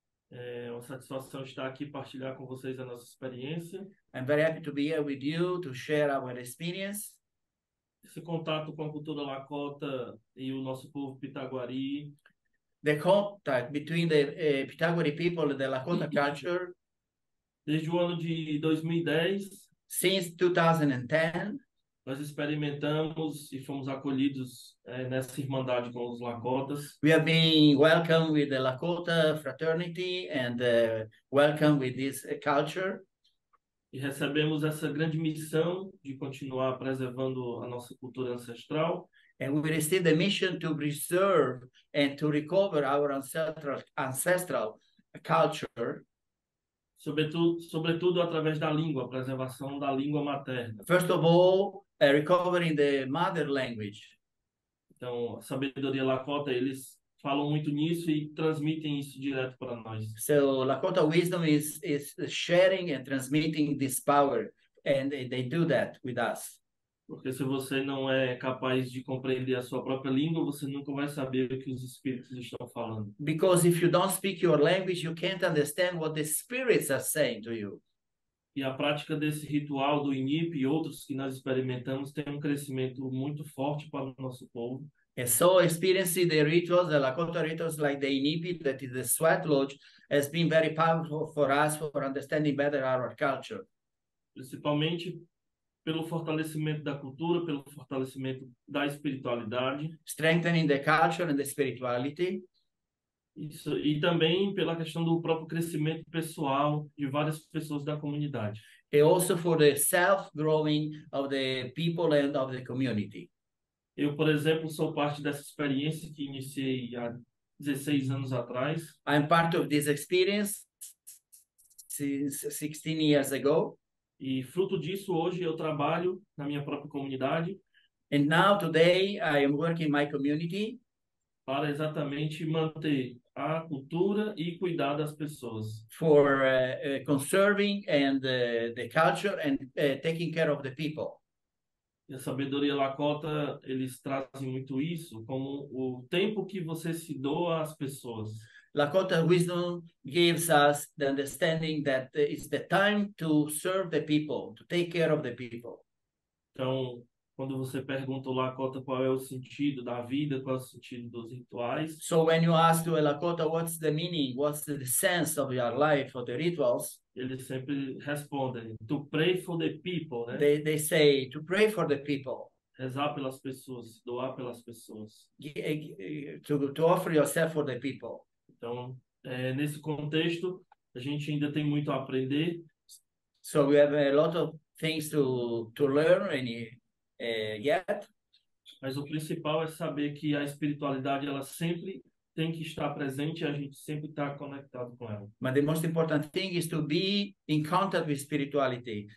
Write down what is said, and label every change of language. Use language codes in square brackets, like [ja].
[pt] É uma satisfação estar aqui partilhar com vocês a nossa experiência. [en] I'm very happy to be here with you to share our experience. [pt] Esse contato com a cultura Lakota e o nosso povo Pitaguari. [en] The contact between the Pitaguari people and the Lakota culture. [pt] Desde o ano de 2010. [en] Since 2010. [pt] Nós experimentamos e fomos acolhidos nessa irmandade com os Lakotas. [en] We have been welcomed with the Lakota fraternity and welcome with this culture. [pt] E recebemos essa grande missão de continuar preservando a nossa cultura ancestral. [en] And we received the mission to preserve and to recover our ancestral culture. [pt] Sobretudo através da língua, preservação da língua materna. [en] First of all, recovering the mother language. [pt] Então, a sabedoria Lakota, eles falam muito nisso e transmitem isso direto para nós. [en] So, Lakota wisdom is sharing and transmitting this power, and they do that with us. [pt] Porque se você não é capaz de compreender a sua própria língua, você nunca vai saber o que os espíritos estão falando. [en] Because if you don't speak your language, you can't understand what the spirits are saying to you. [pt] E a prática desse ritual do INIP e outros que nós experimentamos tem um crescimento muito forte para o nosso povo. [en] And so experiencing the rituals, the Lakota rituals like the INIP, that is the sweat lodge, has been very powerful for us for understanding better our culture. [pt] Principalmente pelo fortalecimento da cultura, pelo fortalecimento da espiritualidade. [en] Strengthening the culture and the spirituality. [pt] Isso, e também pela questão do próprio crescimento pessoal de várias pessoas da comunidade. [en] E also for the self-growing of the people and of the community. [pt] Eu, por exemplo, sou parte dessa experiência que iniciei há 16 anos atrás. [en] I'm part of this experience since 16 years ago. [pt] E fruto disso, hoje eu trabalho na minha própria comunidade. [en] And now, today, I am working in my community. [pt] Para exatamente manter a cultura e cuidar das pessoas. [en] For conserving and the culture and taking care of the people. [pt] E a sabedoria Lakota, eles trazem muito isso, como o tempo que você se doa às pessoas. [en] Lakota wisdom gives us the understanding that it's the time to serve the people, to take care of the people. [pt] Então, quando você pergunta ao Lakota qual é o sentido da vida, qual é o sentido dos rituais. [en] So when you ask to a Lakota what's the meaning, what's the sense of your life or the rituals. [pt] Eles sempre respondem, [en] to pray for the people. [pt] Né? [en] They say, to pray for the people. [pt] Rezar pelas pessoas, doar pelas pessoas. [en] To offer yourself for the people. [pt] Então, nesse contexto, a gente ainda tem muito a aprender. [en] So we have a lot of things to learn and get. [pt] Mas o principal é saber que a espiritualidade, ela sempre tem que estar presente e a gente sempre está conectado com ela. [en] But the most important thing is to be in contact with spirituality.